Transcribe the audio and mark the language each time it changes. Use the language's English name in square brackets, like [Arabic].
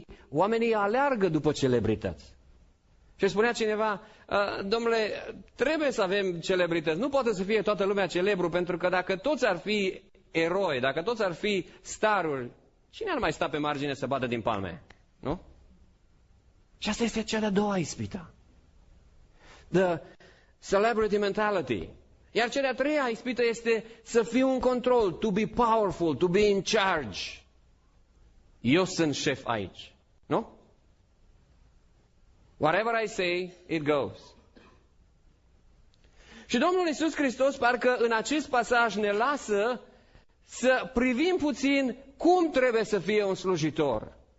[Romanian] Oamenii aleargă după celebrități. Și spunea cineva, domnule, trebuie să avem celebrități. Nu poate să fie toată lumea celebru, pentru că dacă toți ar fi eroi, dacă toți ar fi staruri, cine ar mai sta pe margine să bată din palme? Nu? Și asta este cea de-a doua ispită. [English] The celebrity mentality. [Romanian] Iar cea de-a treia ispită este să fiu în control, [English] to be powerful, to be in charge. [Romanian] Eu sunt șef aici. Nu? [English] Whatever I say, it goes. [Romanian] Și Domnul Iisus Hristos parcă în acest pasaj ne lasă să privim puțin cum trebuie să fie un slujitor.